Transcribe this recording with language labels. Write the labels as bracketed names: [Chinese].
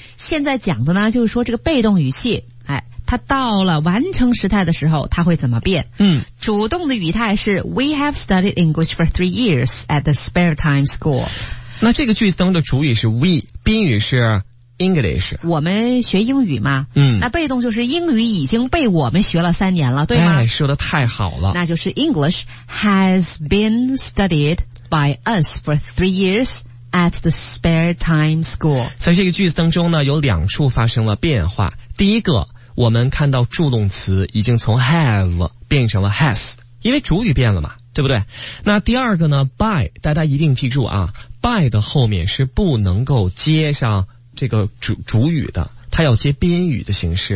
[Chinese] 现在讲的呢就是说这个被动语气，它到了完成时态的时候它会怎么变。主动的语态是 [English] We have studied English for 3 years at the spare time school。 [Chinese] 那这个句子中的主语是 we， 宾语是English，我们学英语嘛，那被动就是英语已经被我们学了3年了，对吗？哎，说的太好了。那就是 [English] English has been studied by us for 3 years at the spare time school。 [Chinese] 在这个句子当中呢，有两处发生了变化。第一个，我们看到助动词已经从 have 变成了 has， 因为主语变了嘛，对不对？那第二个呢， by， 大家一定记住啊， by 的后面是不能够接上这个主语的，它要接宾语的形式。